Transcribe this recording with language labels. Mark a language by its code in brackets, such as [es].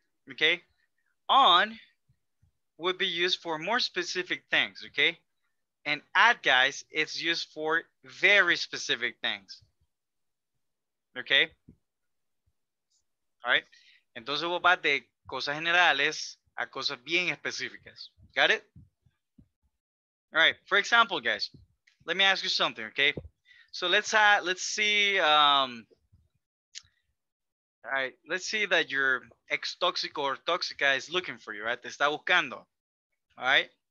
[en] Okay, on would be used for more specific things. Okay, and at, guys, it's used for very specific things. Okay, all right. [es] Entonces, vos vas de cosas generales a cosas bien específicas. [en] Got it? All right, for example, guys, let me ask you something. Okay, so let's see. All right, let's see that your ex toxic or toxica is looking for you, right? [es] Te está buscando, [en] all right?